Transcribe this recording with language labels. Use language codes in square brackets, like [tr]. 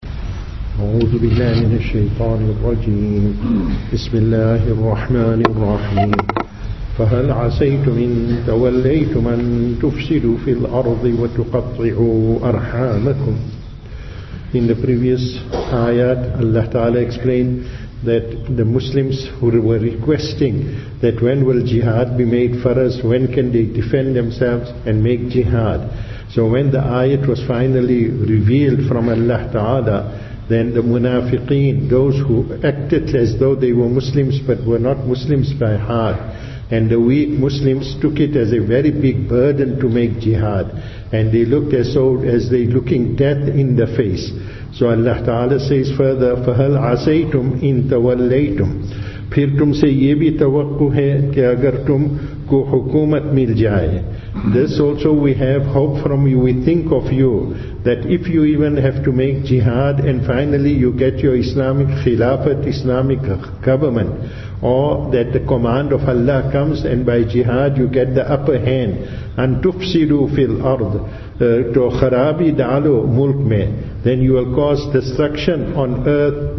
[ar] أعوذ بالله من الشيطان الرجيم. بسم الله الرحمن الرحيم. فهل عسيتم إن توليتم أن تفسدوا في الأرض وتقطعوا أرحامكم. [en] In the previous ayat, Allah Ta'ala explained that the Muslims who were requesting that when will jihad be made for us, when can they defend themselves and make jihad. So when the ayat was finally revealed from Allah Ta'ala, then the munafiqeen, those who acted as though they were Muslims but were not Muslims by heart, and the weak Muslims took it as a very big burden to make jihad, and they looked as though as they looking death in the face. So Allah Ta'ala says further, [ar] فَهَلْ عَسَيْتُمْ إِن تَوَلَّيْتُمْ. [ur] پھر تم سے یہ بھی توقع ہے کہ اگر تم کو حکومت مل جائے. [en] This also we have hope from you, we think of you, that if you even have to make jihad and finally you get your Islamic Khilafat, Islamic government, or that the command of Allah comes and by jihad you get the upper hand. And tufsidu fil ard, [ur] to kharabi dalo mulk mein, [en] then you will cause destruction on earth.